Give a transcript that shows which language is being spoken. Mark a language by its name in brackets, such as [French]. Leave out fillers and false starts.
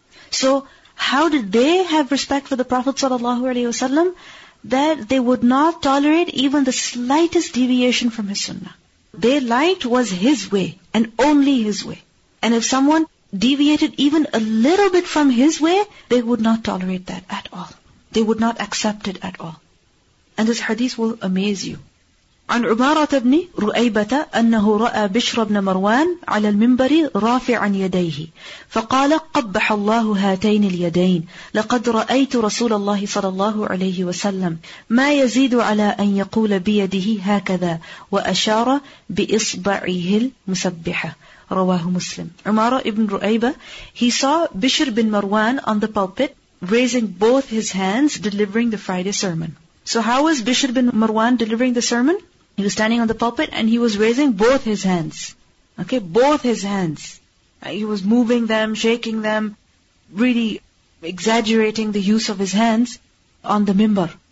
[English] So how did they have respect for the Prophet sallallahu alaihi wasallam that they would not tolerate even the slightest deviation from his sunnah? They liked was his way and only his way. And if someone deviated even a little bit from his way, they would not tolerate that at all. They would not accept it at all. And this hadith will amaze you. [Arabic] عن عبارة بن رؤيبة أنه رأى بشر بن مروان على المنبر رافعا يديه فقال قبح الله هاتين اليدين لقد رأيت رسول الله صلى الله عليه وسلم ما يزيد على أن يقول بيده هكذا وأشار بإصبعه المسبحة رواه مسلم. [English] عمارة بن رؤيبة, he saw Bishr bin Marwan on the pulpit raising both his hands delivering the Friday sermon. So how was Bishr bin Marwan delivering the sermon? He was standing on the pulpit and he was raising both his hands. Okay, both his hands. He was moving them, shaking them, really exaggerating the use of his hands on the mimbar.